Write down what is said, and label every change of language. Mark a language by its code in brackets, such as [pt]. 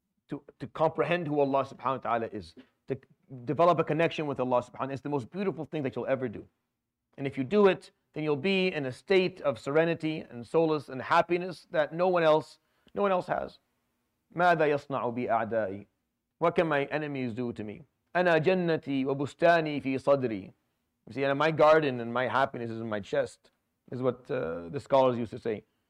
[en] To comprehend who Allah subhanahu wa ta'ala is. To develop a connection with Allah subhanahu wa ta'ala. It's the most beautiful thing that you'll ever do. And if you do it, then you'll be in a state of serenity and solace and happiness that no one else has. [ar] ماذا يصنع بي أعدائي? [en] What can my enemies do to me? [ar] أنا جنتي وبستاني في صدري. [en] You see, and my garden and my happiness is in my chest, is what the scholars used to say.